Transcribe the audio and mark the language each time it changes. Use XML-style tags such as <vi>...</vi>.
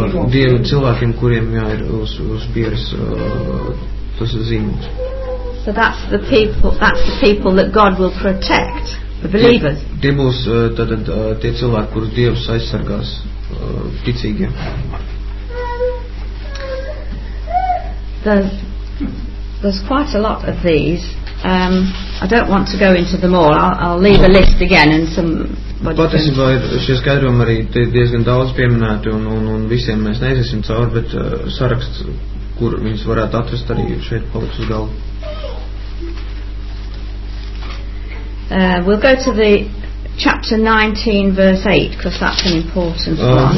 <lv>Dieva cilvēkiem, kuriem jā, ir uz pieres, tas ir zīmums.</lv> <en>So that's the people that God will protect, the believers.</en> <lv>Tie būs tātad tie cilvēki, kurus Dievs aizsargās, ticīgiem.</lv> <en>There's quite a lot of these. I don't want to go into them all. I'll leave a list again and some.</en> <lv>Patiesībā šie skaidrojumi arī diezgan daudz pieminēti un visiem mēs neiziesim cauri, bet saraksts, kur viņus varētu atrast, arī šeit paliks uz galvu.</lv> <en>We'll go to the chapter 19, verse 8, because that's an important one.</en>